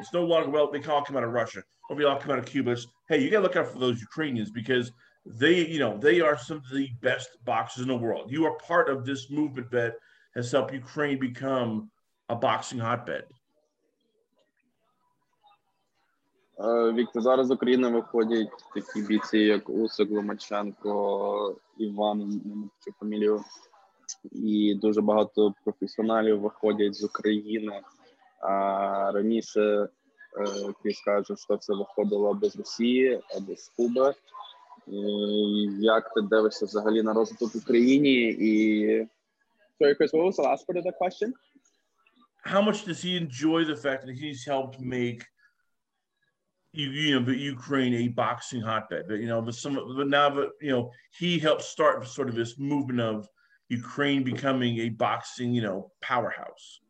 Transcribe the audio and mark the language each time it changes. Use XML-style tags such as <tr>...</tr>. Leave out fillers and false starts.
<en>It's no longer, well, they can all come out of Russia or they all come out of Cuba. It's, hey, you got to look out for those Ukrainians because they, you know, they are some of the best boxers in the world. You are part of this movement that has helped Ukraine become a boxing hotbed.</en> <uk>Віктор, зараз з України виходять такі бійці, як Усик, Ломаченко, Іван, чи фамілію. І дуже багато професіоналів виходять з України. А раніше, ти скажеш, що це виходило без Росії або з Куби. Як ти дивишся взагалі на розвиток в Україні? І...</uk> <en>Sorry, Chris, what was the last part of that question? How much does he enjoy the fact that he's helped make the Ukraine a boxing hotbed? But, you know, he helped start sort of this movement of Ukraine becoming a boxing, you know, powerhouse.</en>